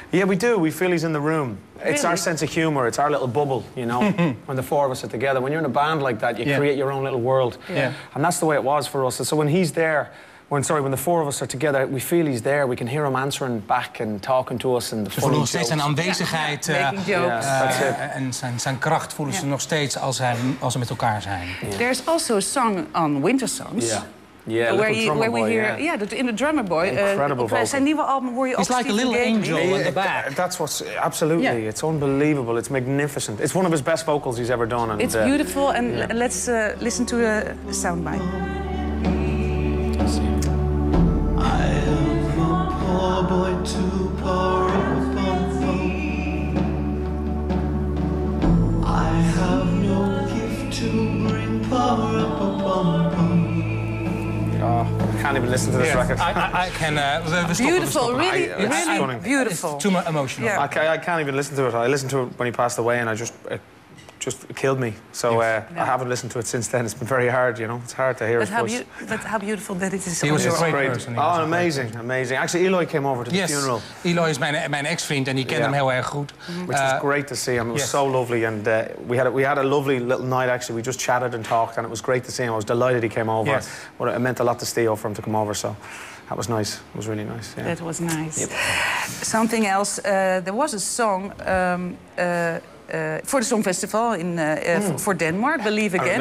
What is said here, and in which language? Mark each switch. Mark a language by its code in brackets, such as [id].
[en] Yeah, we do. We feel he's in the room. Really? It's our sense of humor. It's our little bubble, you know, when the four of us are together. When you're in a band like that, you create your own little world. Yeah. And that's the way it was for us. So when he's there, when the four of us are together, we feel he's there. We can hear him answering back and talking to us and the funny jokes. [nl] Ze voelen nog steeds zijn aanwezigheid. En zijn kracht voelen ze nog steeds als ze met elkaar zijn. [en] Yeah. There's also a song on Winter Songs. Yeah. Yeah, where we hear, in the drummer boy. Incredible vocal. [nl] Zijn nieuwe album hoor je [en] He's like a little angel in the back. That's what's absolutely. Yeah. It's unbelievable. It's magnificent. It's one of his best vocals he's ever done. And, it's beautiful. And let's listen to a soundbite. I am a poor boy to power up on phone. I have no gift to bring power up upon phone. I can't even listen to this record. Beautiful, really, really beautiful. It's too emotional. Yeah. I can't even listen to it. I listened to it when he passed away, and I just it just killed me. So I haven't listened to it since then. It's been very hard, you know. It's hard to hear his voice. But how beautiful that it is. He was a great person. Oh, amazing, amazing. Actually, Eloy came over to the funeral. [nl] Yes, Eloy is mijn ex-vriend and he kent hem heel erg goed. [en] Mm-hmm. Which was great to see him. It was so lovely. And we had a lovely little night, actually. We just chatted and talked and it was great to see him. I was delighted he came over. Yes. But it meant a lot to Steve for him to come over, so. That was nice. It was really nice. Yeah. That was nice. Yep. Something else. There was a song for the Song Festival in for Denmark, Believe Again.